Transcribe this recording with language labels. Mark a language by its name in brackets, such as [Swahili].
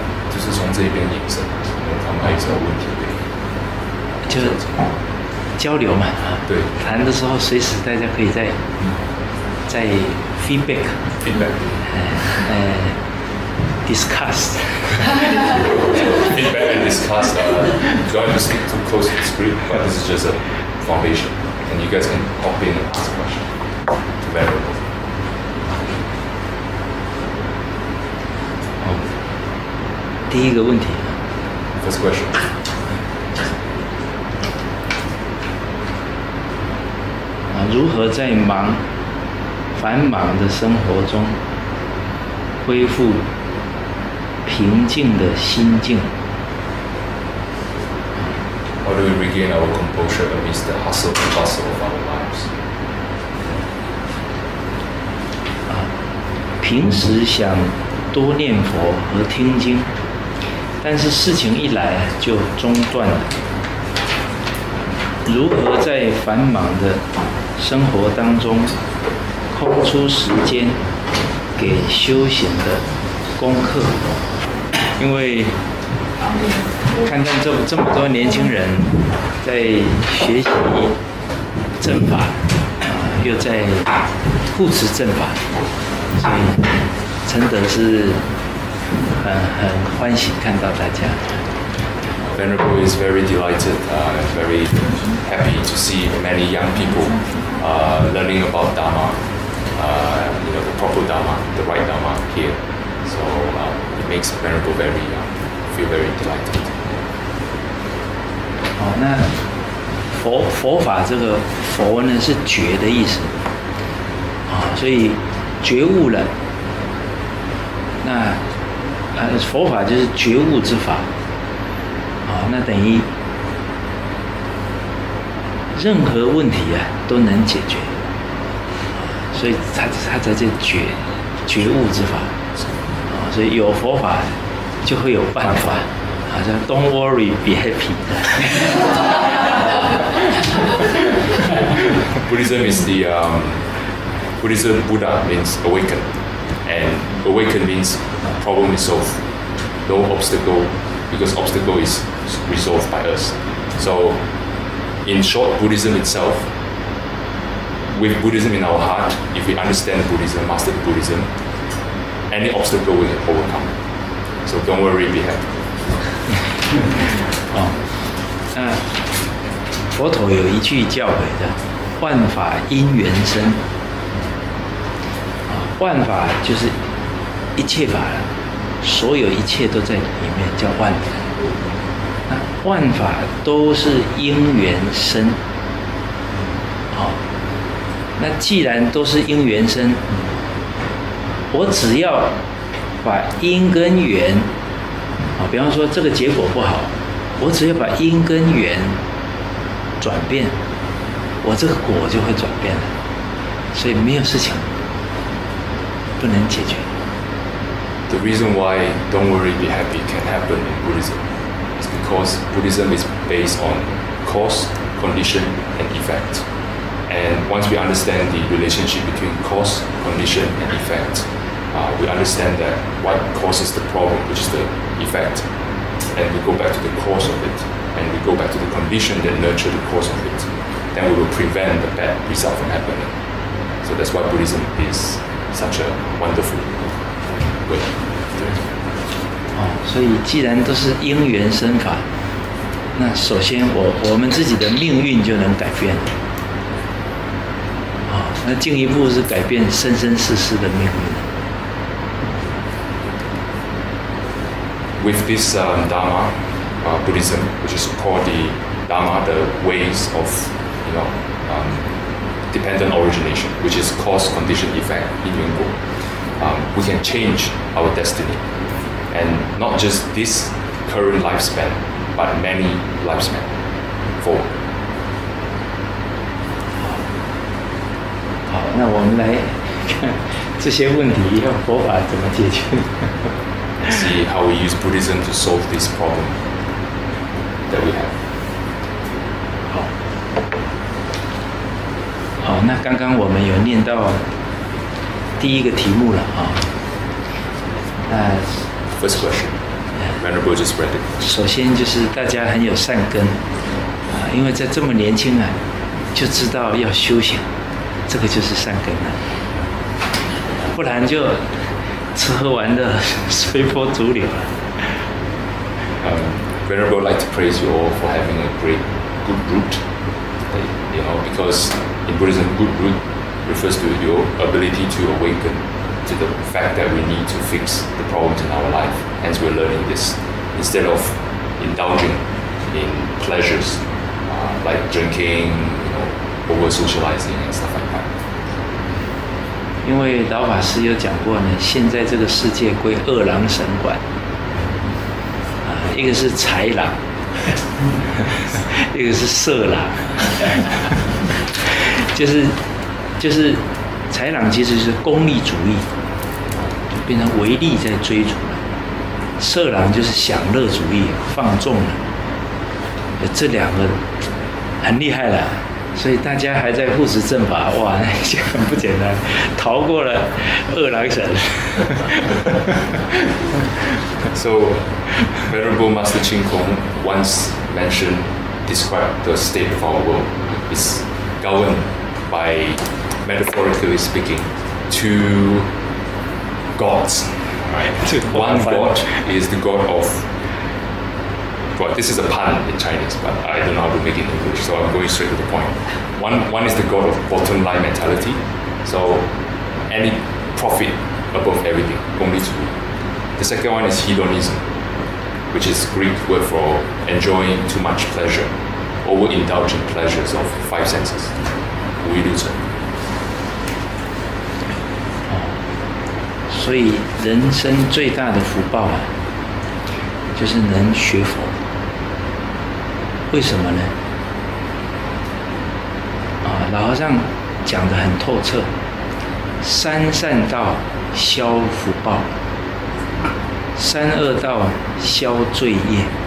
[Chinese] 就是从这边引申，他们还有什么问题可以就是交流嘛，对，谈的时候随时大家可以在在 [English] feedback discuss feedback and discuss you don't have to stick too close to the screen, but this is just a foundation and you guys can hop in and ask questions to Venerable. [Chinese] 第一个问题 [English] first question [Chinese] 如何在忙繁忙的生活中恢复平静的心境。 [English] How do we regain our composure amidst the hustle and bustle of our lives? [Chinese] 平时想多念佛和听经，但是事情一来就中断了。如何在繁忙的生活当中空出时间给修行的功课？因为看到这么多年轻人在学习正法，又在护持正法，所以真的是很欢喜看到大家。 [English] Venerable is very delighted, very happy to see many young people, learning about Dharma. You know, the proper Dharma, the right Dharma here. So, it makes Venerable very, feel very delighted. [Chinese] 好，那佛法这个佛呢是觉的意思。所以觉悟了。那佛法就是觉悟之法。那等于任何问题啊都能解决。所以他在这觉悟之法，所以有佛法就会有办法，好像 [English] Don't worry, be happy. Buddhism is the Buddhism. Buddha means awaken, and awaken means problem is solved. No obstacle, because obstacle is resolved by us. So, in short, Buddhism itself. With Buddhism in our heart, if we understand Buddhism, master Buddhism, any obstacle we can overcome. So don't worry, be happy. [Chinese] 那佛陀有一句教诲的，万法因缘生。万法就是一切法，所有一切都在里面叫万法。那万法都是因缘生。那既然都是因缘生，我只要把因跟缘，比方说这个结果不好，我只要把因跟缘转变，我这个果就会转变了，所以没有事情不能解决。 [English] The reason why don't worry be happy can happen in Buddhism is because Buddhism is based on cause, condition and effect. And once we understand the relationship between cause, condition, and effect, we understand that what causes the problem, which is the effect, and we go back to the cause of it, and we go back to the condition that nurture the cause of it, then we will prevent the bad result from happening. So that's why Buddhism is such a wonderful way. [Chinese] 哦，所以既然都是因缘生法，那首先我们自己的命运就能改变。哦，那进一步是改变生生世世的命运。 [English] With this Dharma, Buddhism, which is called the Dharma, the ways of, you know, dependent origination, which is cause, condition, effect, [Chinese] 因缘果 [English] we can change our destiny. And not just this current lifespan, but many lifespan. For. [Chinese] 好，那我们来看这些问题以后佛法怎么解决。 [English] See how we use Buddhism to solve this problem that we have. [Chinese] 好，好，那刚刚我们有念到第一个题目了啊。 [English] First question. Venerable just read it. [Chinese] 首先就是大家很有善根啊，因为在这么年轻啊，就知道要修行，这个就是善根了，不然就。吃喝玩乐，随波逐流。 [English] Venerable, like to praise you all for having a great good root. You know, because in Buddhism, good root refers to your ability to awaken to the fact that we need to fix the problems in our life. Hence, we're learning this instead of indulging in pleasures like drinking, you know, over socializing and stuff like that. [Chinese] 因为老法师有讲过呢，现在这个世界归二郎神管，啊，一个是豺狼，一个是色狼，就是豺狼其实是功利主义，就变成唯利在追逐了；色狼就是享乐主义，放纵了。这两个很厉害了。所以大家还在护持正法，哇，那就很不简单，逃过了二郎神。 [English] So, Venerable Master Ching Kong once mentioned, described the state of our world is governed by, metaphorically speaking, two gods. Right? One god is the god of. Well, this is a pun in Chinese, but I don't know how to make it in English, so I'm going straight to the point. One is the god of bottom line mentality, so any profit above everything, [Chinese] 功利主义. [English] The second one is hedonism, which is Greek word for enjoying too much pleasure, overindulging pleasures of five senses, [Chinese] 无欲论者. 所以人生最大的福报啊，就是能学佛。为什么呢？啊，老和尚讲得很透彻，三善道消福报，三恶道消罪业。